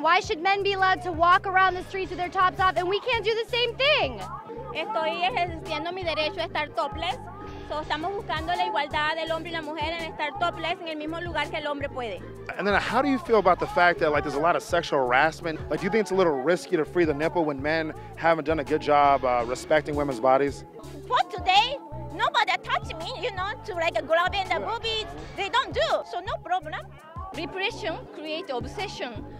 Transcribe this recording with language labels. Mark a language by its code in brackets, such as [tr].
[en] Why should men be allowed to walk around the streets with their tops off and we can't do the same thing? [es] Estoy ejerciendo mi derecho a estar topless. So estamos buscando la igualdad del hombre y la mujer en estar topless en el mismo lugar que el hombre puede. [en] And then how do you feel about the fact that like there's a lot of sexual harassment? Like, do you think it's a little risky to free the nipple when men haven't done a good job respecting women's bodies? For today, nobody touch me, you know, to like a grab in the boobies. They don't do, so no problem. Repression creates obsession.